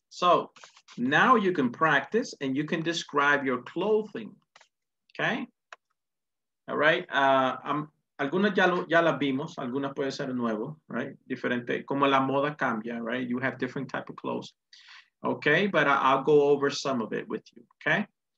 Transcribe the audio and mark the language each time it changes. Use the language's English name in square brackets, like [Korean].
[English] So now you can practice and you can describe your clothing. Okay. All right. [Spanish] Algunas ya, ya las vimos, algunas puede ser nuevo, right? Diferente, como la moda cambia, [English] right? You have different type of clothes. Okay, but I'll go over some of it with you, okay?